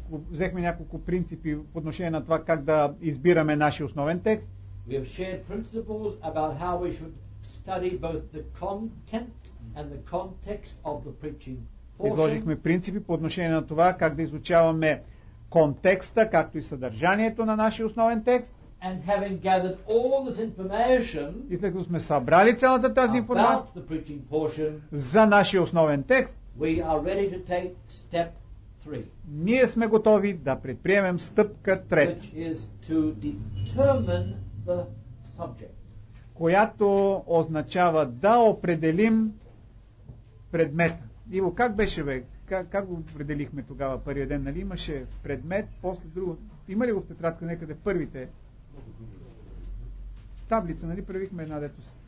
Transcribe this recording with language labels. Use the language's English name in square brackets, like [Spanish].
[Bulgarian] Взехме няколко принципи по отношение на това как да избираме нашия основен текст. [English] We have shared principles about how we should study both the content and the context of the preaching. [Bulgarian] Изложихме принципи по отношение на това как да изучаваме контекста, както и съдържанието на нашия основен текст. [English] And having gathered all this information, [Bulgarian] и след като сме събрали цялата тази информация за нашия основен текст, [English] we are ready to take step three, [Bulgarian] ние сме готови да предприемем стъпка трета, [English] which is to determine the subject, [Bulgarian] която означава да определим предмета. Иво, как беше, бе? Как го определихме тогава първия ден? Нали имаше предмет, после друго? Има ли го в тетрадка някъде първите? Таблица, нали правихме една дето?